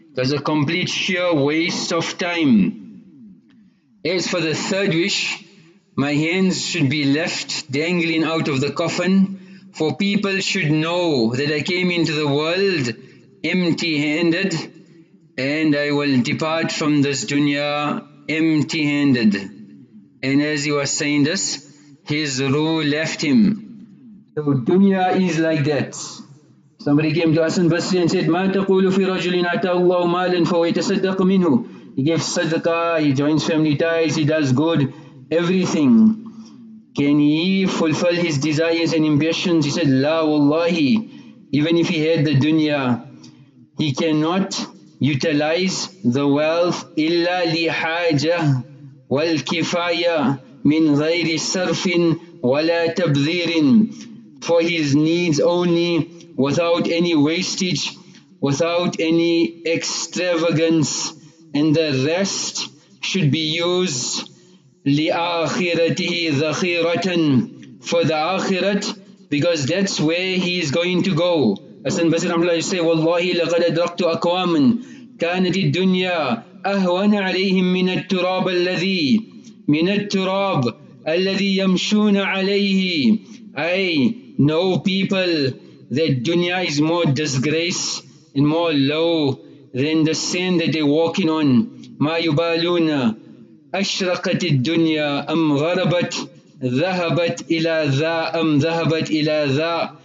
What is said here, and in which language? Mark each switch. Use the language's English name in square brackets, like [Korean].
[English] It's a complete sheer waste of time. As for the third wish, my hands should be left dangling out of the coffin, for people should know that I came into the world empty-handed, and I will depart from this dunya empty-handed. And as he was saying this, his ruh left him. So dunya is like that. Somebody came to us in Basri and said, [Arabic] مَا تَقُولُ فِي رَجُلٍ أَتَى اللَّهُ مَالٍ فَهُوَ يَتَصَدَّقُ مِنْهُ. [English] He gives sadaqah, he joins family ties, he does good, everything. Can he fulfill his desires and ambitions? He said, [Arabic] لا والله. [English] Even if he had the dunya, he cannot utilize the wealth [Arabic] إِلَّا لِحَاجَةٍ وَالْكِفَايَةٍ مِنْ غَيْرِ صَرْفٍ وَلَا تَبْذِيرٍ, [English] for his needs only, without any wastage, without any extravagance, and the rest should be used [Arabic] لِآخِرَتِهِ ذَخِيرَةً, [English] for the akhirat, because that's where he is going to go. As in Basir Ramallah, you say, [Arabic] وَاللَّهِ لَقَدْ أَدْرَقْتُ أَقْوَامٍ كَانَتِ الدُّنْيَا أَهْوَنَ عَلَيْهِمْ مِنَ التُّرَابَ الَّذِي مِنَ التُّرَابَ الَّذِي يَمْشُونَ عَلَيْهِ. [English] I know people that dunya is more disgrace and more low than the sand that they're walking on. [Arabic] مَا يُبَالُونَ أَشْرَقَتِ الدُّنْيَا أَمْ غَرَبَتْ ذَهَبَتْ إِلَى ذَا أَمْ ذَهَبَتْ إِلَى ذَا.